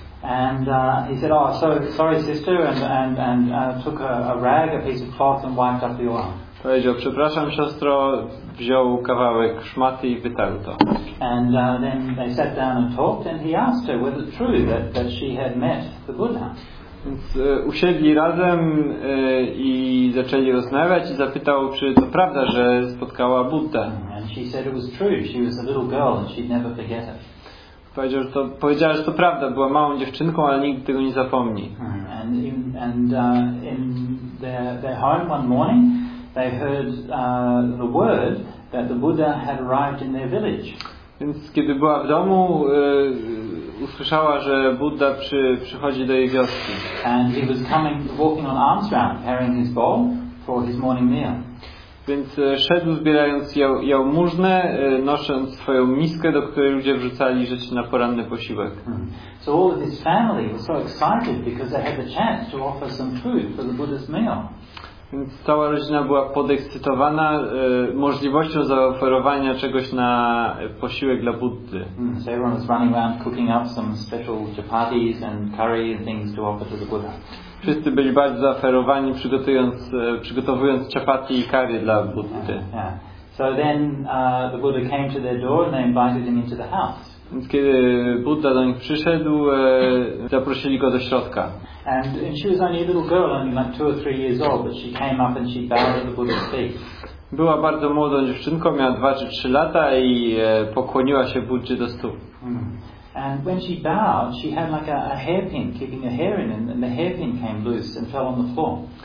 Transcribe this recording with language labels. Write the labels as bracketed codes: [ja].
[en] And he said, "Oh, so sorry, sister," and took a rag, a piece of cloth, and wiped up the oil. [pl] Powiedział, przepraszam siostro, wziął kawałek szmaty i wytarł to. [en] And then they sat down and talked, and he asked her whether truly that she had met the Buddha. [pl] Więc usiedli razem i zaczęli rozmawiać i zapytał, czy to prawda, że spotkała Buddę. [en] And she said it was true, she was a little girl and she'd never forget it. [pl] Powiedziała, że to prawda, była małą dziewczynką, ale nigdy tego nie zapomni. [en] And in their home one morning they heard the word that the Buddha had arrived in their village. [pl] Więc kiedy była w domu, usłyszała, że Budda przychodzi do jej wioski. [en] And he was coming, walking on arms round, carrying his bowl for his morning meal. [pl] Więc szedł zbierając jałmużnę, nosząc swoją miskę, do której ludzie wrzucali rzeczy na poranny posiłek. [en] So all of his family was so excited because they had the chance to offer some food for the Buddha's meal. [pl] Więc cała rodzina była podekscytowana możliwością zaoferowania czegoś na posiłek dla Buddy. [en] So everyone was running around cooking up some special chapatis and curry and things to offer to the Buddha. [pl] Wszyscy byli bardzo zaoferowani, przygotowując chapati i curry dla Buddy. [en] So then the Buddha came to their door and they invited him into the house. [pl] Więc kiedy Budda do nich przyszedł, zaprosili go do środka. [en] And she was only a little girl, only like 2 or 3 years old, but she came up and she bowed at the Buddha's feet. [pl] Była bardzo młodą dziewczynką, miała 2 czy 3 lata i pokłoniła się Buddzie do stóp. [en] And when she bowed, she had like a hairpin keeping her hair in, and the hairpin came loose and fell on the floor.